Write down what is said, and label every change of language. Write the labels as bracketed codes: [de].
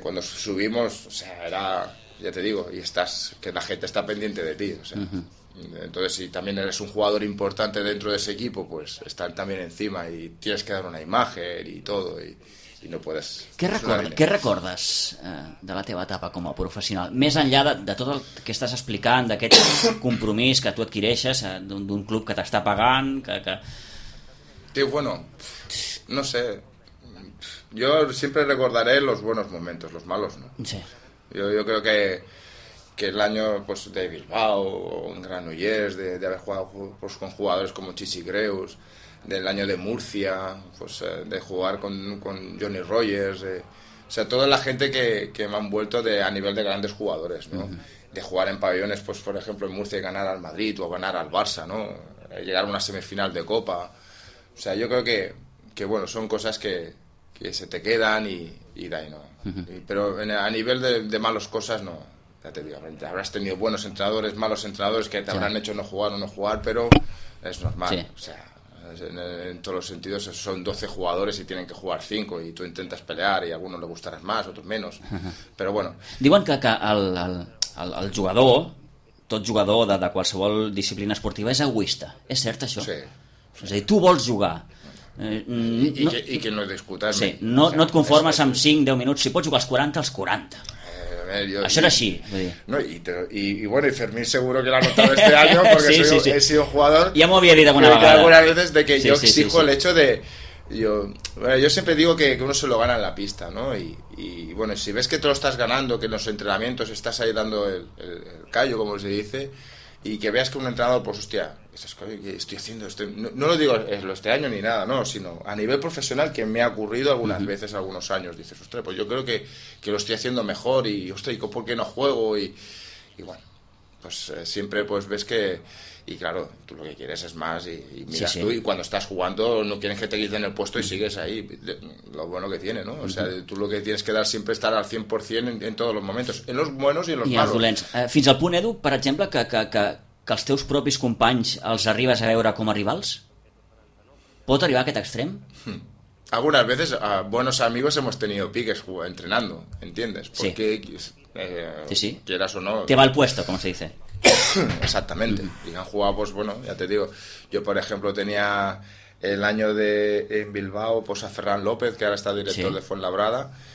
[es] Cuando subimos, o sea, era, ya te digo, y estás que la gente está pendiente de ti, o sea. Uh-huh. Entonces, si también eres un jugador importante dentro de ese equipo, pues están también encima y tienes que dar una imagen y todo y no puedes. [ca] ¿Qué recordes de la teva etapa com a professional? Més enllà de tot el que estàs explicant, d'aquest compromís que tu adquireixes d'un club que t'està pagant, que... [es] Tio, bueno, no sé. Yo siempre recordaré los buenos momentos, los malos, ¿no? Sí. Yo creo que el año pues de Bilbao, en Granollers, de haber jugado pues con jugadores como Chichi Greus, del año de Murcia, pues de jugar con Johnny Rogers, o sea, toda la gente que me han vuelto a nivel de grandes jugadores, ¿no? Uh-huh. De jugar en pabellones, pues por ejemplo en Murcia y ganar al Madrid o ganar al Barça, ¿no? Llegar a una semifinal de Copa, o sea, yo creo que bueno, son cosas que se te quedan y de ahí, ¿no? Uh-huh. Pero a nivel de malas cosas, no, ya te digo, habrás tenido buenos entrenadores, malos entrenadores que te habrán hecho no jugar, pero es normal, sí. O sea, en todos los sentidos son 12 jugadores y tienen que jugar 5 y tú intentas pelear y a algunos le gustarás más, a otros menos, pero bueno. [ca] Diuen que el jugador, tot jugador de qualsevol disciplina esportiva és egoista, és cert això? Sí. És a dir, tu vols jugar. I que no discutas. Sí, no et conformes amb 5-10 minuts, si pots jugar els 40, els 40. Això era així. [es] Y Fermín seguro que lo ha notado este año porque sí. He sido jugador. Ya me había dicho alguna vez. Algunas veces de que sí, yo exijo sí. El hecho de. Yo siempre digo que uno se lo gana en la pista, ¿no? Y bueno, si ves que te lo estás ganando, que en los entrenamientos estás ahí dando el callo, como se dice, y que veas que un entrenador, pues hostia, ¿qué estoy haciendo? No lo digo este año ni nada, no, sino a nivel profesional que me ha ocurrido algunas uh-huh. veces, algunos años. Dices, ostras, pues yo creo que lo estoy haciendo mejor y, ostras, ¿por qué no juego? Y bueno, pues siempre pues ves que... Y claro, tú lo que quieres es más y miras sí, sí. Tú y cuando estás jugando no quieres que te quiten el puesto y uh-huh. sigues ahí. Lo bueno que tiene, ¿no? O sea, tú lo que tienes que dar siempre es estar al 100% en todos los momentos, en los buenos y en los malos. [ca] I els dolents. Fins al punt, Edu, per exemple, que els teus propis companys els arribes a veure com a rivals? Pot arribar a aquest extrem? [es] Algunas veces a buenos amigos hemos tenido piques entrenando, ¿entiendes? Porque sí. Quieras o no... Te va el puesto, como se dice. Exactamente. Y han jugado, pues bueno, ya te digo. Yo, por ejemplo, tenía el año de en Bilbao, pues a Ferran López, que ahora está director de Fuenlabrada.